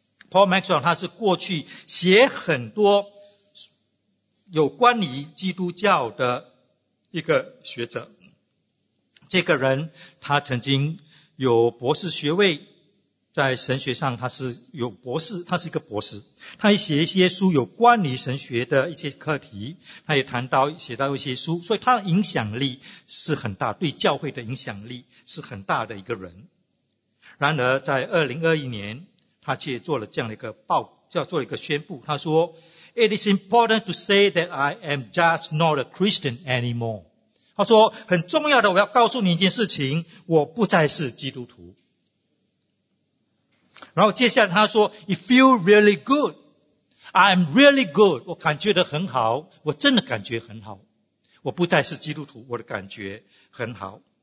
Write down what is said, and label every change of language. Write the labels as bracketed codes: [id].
[zh] Paul Maxwell 他是过去写很多有关于基督教的一个学者，这个人他曾经有博士学位，在神学上他是有博士，他是一个博士，他也写一些书有关于神学的一些课题，他也写到一些书，所以他的影响力是很大，对教会的影响力是很大的一个人。然而在2021年他却做了这样的一个报叫做一个宣布，他说 [en] It is important to say that I am just not a Christian anymore。 [zh] 他说很重要的，我要告诉你一件事情，我不再是基督徒。然后接下来他说 [en] It feels really good, [zh] I am really good, 我感觉得很好，我真的感觉很好，我不再是基督徒，我的感觉很好。